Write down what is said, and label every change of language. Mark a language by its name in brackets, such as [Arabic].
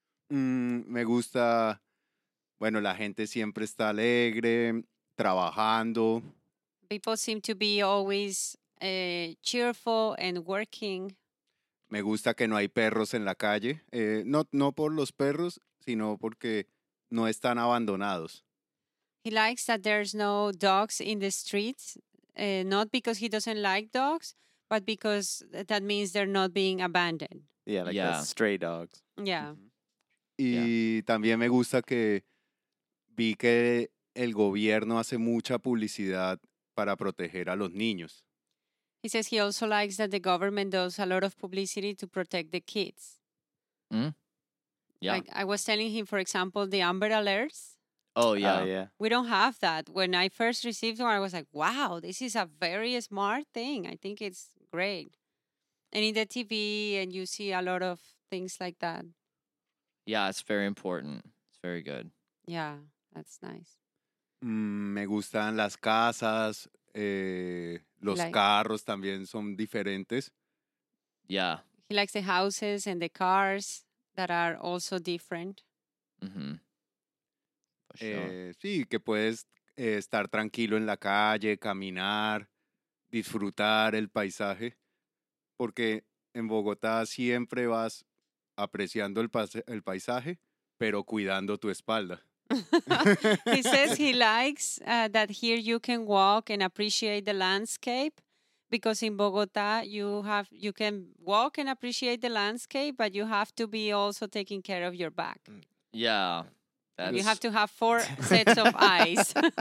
[Spanish] Me gusta, bueno, la gente siempre está alegre, trabajando. [English] People seem to be always cheerful and working. [Spanish] Me gusta que no hay perros en la calle. No por los perros, sino porque no están abandonados. [English] He likes that there's no dogs in the streets. Not because he doesn't like dogs, but because that means they're not being abandoned. Yeah, like the stray dogs. Yeah. Mm-hmm. [Spanish] Y también me gusta que vi que el gobierno hace mucha publicidad para proteger a los niños. [English] He says he also likes that the government does a lot of publicity to protect the kids. Mm. Yeah. Like, I was telling him, for example, the Amber Alerts. Oh, yeah. Yeah. We don't have that. When I first received one, I was like, wow, this is a very smart thing. I think it's great. And in the TV, and you see a lot of things like that. Yeah, it's very important. It's very good. Yeah, that's nice. [Spanish] Me gustan las casas, los carros también son diferentes. [English] Yeah. He likes the houses and the cars that are also different. Mm-hmm. Sure. [Spanish] Sí, que puedes estar tranquilo en la calle, caminar, disfrutar el paisaje. Porque en Bogotá siempre vas apreciando el paisaje, pero cuidando tu espalda. [English] He says he likes that here you can walk and appreciate the landscape, because in Bogota you can walk and appreciate the landscape, but you have to be also taking care of your back. Yeah, you have to have four sets of eyes.